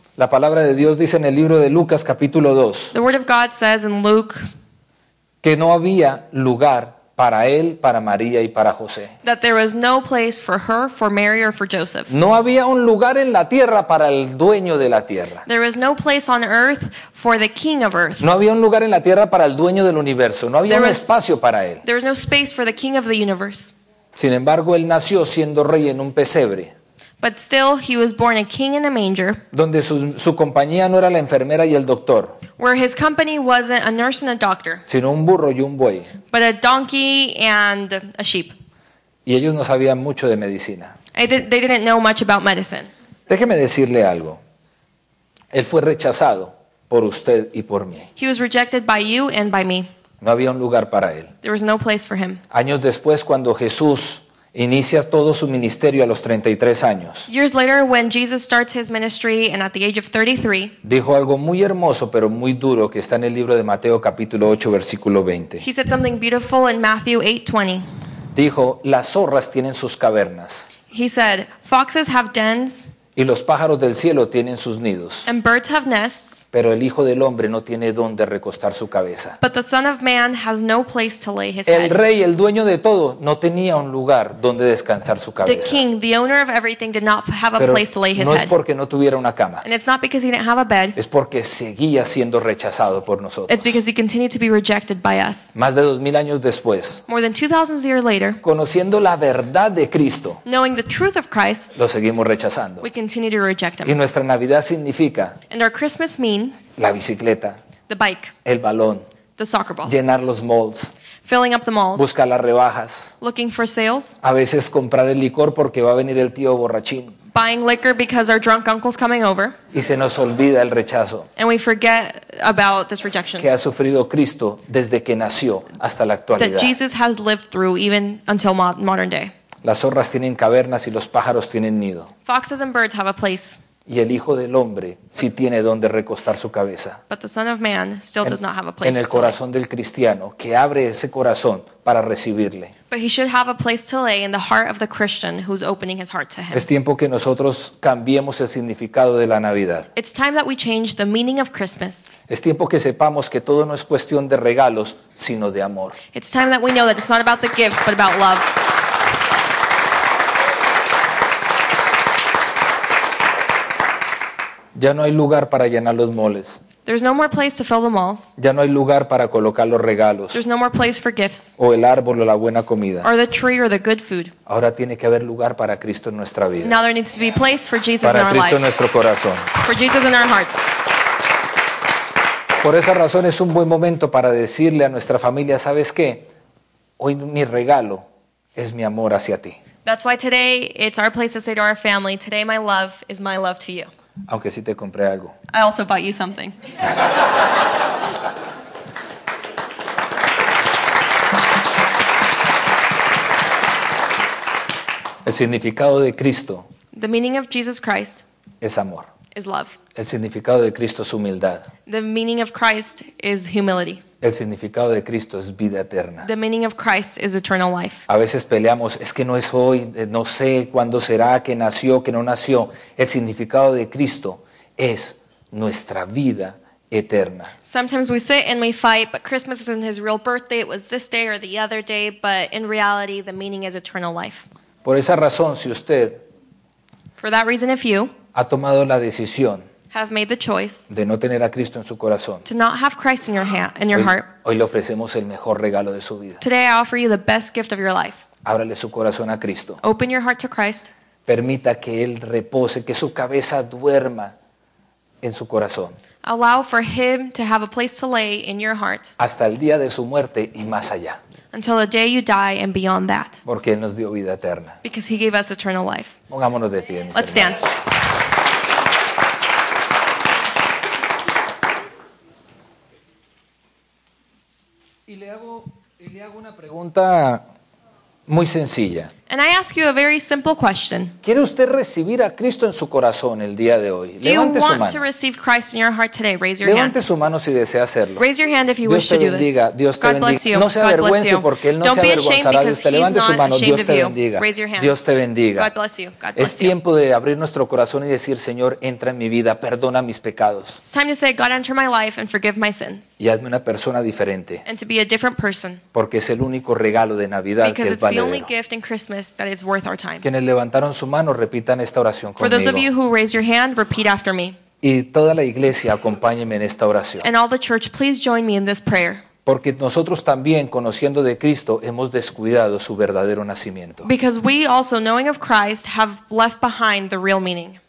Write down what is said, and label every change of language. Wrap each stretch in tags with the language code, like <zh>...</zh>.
<es>La palabra de Dios dice en el libro de Lucas capítulo 2.</es> <en>The word of God says in Luke</en> <es>que no había lugar para él, para María y para José.</es> <en>That there was no place for her, for Mary or for Joseph.</en> <es>No había un lugar en la tierra para el dueño de la tierra.</es> <en>There was no place on earth for the king of earth.</en> <es>No había un lugar en la tierra para el dueño del universo. No había un espacio para él.</es> <en>There was no space for the king of the universe.</en> <es>Sin embargo, él nació siendo rey en un pesebre.</es> <en>But still, he was born a king in a manger.</en> <es>Donde su compañía no era la enfermera y el doctor.</es> <en>Where his company wasn't a nurse and a doctor.</en> <es>Sino un burro y un buey.</es> <en>But a donkey and a sheep.</en> <es>Y ellos no sabían mucho de medicina.</es> <en>They didn't know much about medicine.</en> <es>Déjeme decirle algo. Él fue rechazado por usted y por mí.</es> <en>He was rejected by you and by me.</en> <es>No había un lugar para él.</es> <en>There was no place for him.</en> <es>Años después, cuando Jesús inicia todo su ministerio a los 33 años.</es> <en>Years later, when Jesus starts his ministry and at the age of 33,</en> <es>dijo algo muy hermoso pero muy duro que está en el libro de Mateo capítulo 8 versículo 20.</es> <en>He said something beautiful in Matthew 8:20.</en> <es>Dijo, las zorras tienen sus cavernas.</es> <en>He said, foxes have dens.</en> <es>Y los pájaros del cielo tienen sus nidos.</es> <en>And birds have nests.</en> <es>Pero el Hijo del Hombre no tiene dónde recostar su cabeza.</es> <en>But the Son of Man has no place to lay his head.</en> <es>El rey, el dueño de todo, no tenía un lugar donde descansar su cabeza.</es> <en>The king, the owner of everything, did not have a place to lay his head.</en> <es>No es porque no tuviera una cama.</es> <en>And it's not because he didn't have a bed.</en> <es>Es porque seguía siendo rechazado por nosotros.</es> <en>It's because he continued to be rejected by us.</en> <es>Más de 2,000 años después.</es> <en>More than 2,000 years later.</en> <es>Conociendo la verdad de Cristo.</es> <en>Knowing the truth of Christ.</en> <es>Lo seguimos rechazando.</es> <en>We continue to reject him.</en> <es>Y nuestra Navidad significa.</es> <en>And our Christmas means.</en> <es>La bicicleta,</es> <en>the bike,</en> <es>el balón,</es> <en>the soccer ball,</en> <es>llenar los malls,</es> <en>filling up the malls,</en> <es>buscar las rebajas,</es> <en>looking for sales,</en> <es>a veces comprar el licor porque va a venir el tío borrachín,</es> <en>buying liquor because our drunk uncle's coming over,</en> <es>y se nos olvida el rechazo,</es> <en>and we forget about this rejection</en> <es>que ha sufrido Cristo desde que nació hasta la actualidad,</es> <en>that Jesus has lived through even until modern day.</en> <es>Las zorras tienen cavernas y los pájaros tienen nido.</es> <en>Foxes and birds have a place.</en> <es>Y el Hijo del Hombre sí tiene donde recostar su cabeza.</es> <en>But the Son of Man still does not have a place.</en> <es>En el corazón del cristiano que abre ese corazón para recibirle.</es> <en>But he should have a place to lay in the heart of the Christian who's opening his heart to him.</en> <es>Es tiempo que nosotros cambiemos el significado de la Navidad.</es> <en>It's time that we change the meaning of Christmas.</en> <es>Es tiempo que sepamos que todo no es cuestión de regalos, sino de amor.</es> <en>It's time that we know that it's not about the gifts, but about love.</en> <es>Ya no hay lugar para llenar los moles.</es> <en>There's no more place to fill the malls.</en> <es>Ya no hay lugar para colocar los regalos.</es> <en>There's no more place for gifts.</en> <es>O el árbol o la buena comida.</es> <en>Or the tree or the good food.</en> <es>Ahora tiene que haber lugar para Cristo en nuestra vida.</es> <en>Now there needs to be place for Jesus</en> <es>para</es> <en>in our</en> <es>Cristo</es> <en>lives.</en> <es>En nuestro corazón.</es> <en>For Jesus in our hearts.</en> <es>Por esa razón es un buen momento para decirle a nuestra familia, ¿sabes qué? Hoy mi regalo es mi amor hacia ti.</es> <en>That's why today it's our place to say to our family, today my love is my love to you.</en> <es>Aunque sí te compré algo.</es> <en>I also bought you something.</en> <es>El significado de Cristo.</es> <en>The meaning of Jesus Christ.</en> <es>Es amor.</es> <en>Is love.</en> <es>El significado de Cristo es humildad.</es> <en>The meaning of Christ is humility.</en> <es>El significado de Cristo es vida eterna.</es> <en>The meaning of Christ is eternal life.</en> <es>A veces peleamos, es que no es hoy, no sé cuándo será, que nació, que no nació. El significado de Cristo es nuestra vida eterna.</es> <en>Sometimes we sit and we fight, but Christmas isn't his real birthday, it was this day or the other day, but in reality the meaning is eternal life.</en> <es>Por esa razón, si usted</es> <en>for that reason, if you</en> <es>ha tomado la decisión</es> <en>have made the choice</en> <es>de no tener a Cristo en su corazón,</es> <en>to not have Christ in your hand, in your heart.</en> <es>Hoy le ofrecemos el mejor regalo de su vida.</es> <en>Today I offer you the best gift of your life.</en> <es>Ábrale su corazón a Cristo.</es> <en>Open your heart to Christ.</en> <es>Permita que Él repose, que su cabeza duerma en su corazón.</es> <en>Allow for Him to have a place to lay in your heart.</en> <es>Hasta el día de su muerte y más allá.</es> <en>until the day you die and beyond that.</en> <es>Porque él nos dio vida eterna.</es> <en>Because he gave us eternal life.</en> <es>Pongámonos de pie.</es> <en>Let's stand.</en> <es>Y le hago una pregunta muy sencilla.</es> <en>And I ask you a very simple question.</en> <es>¿Quiere usted recibir a Cristo en su corazón el día de hoy?</es> <en>Do you want to receive Christ in your heart today? Raise your hand.</en> <es>Levante su mano si desea hacerlo.</es> <en>Raise your hand if you wish to do this.</en> <es>Dios te bendiga. No se avergüence porque él no se avergonzará de usted. Levante su mano. Dios te bendiga.</es> <en>Raise your hand.</en> <es>Dios te bendiga.</es> <en>God bless you. God bless.</en> <es>Es tiempo de abrir nuestro corazón y decir, Señor, entra en mi vida, perdona mis pecados.</es> <en>It's time to say, God, enter my life and forgive my sins.</en> <es>Y hazme una persona diferente.</es> <en>And to be a different person.</en> <es>Porque es el único regalo de Navidad que es valedero.</es> <en>Because it's the only gift in Christmas that is worth our time.</en> <es>Quienes levantaron su mano, repitan esta oración conmigo.</es> <en>For those of you who raise your hand, repeat after me.</en> <es>Y toda la iglesia, acompáñenme en esta oración.</es> <en>And all the church, please join me in this prayer.</en> <es>Porque nosotros también, conociendo de Cristo, hemos descuidado su verdadero nacimiento.</es> <en>Because we also, knowing of Christ, have left behind the real meaning.</en>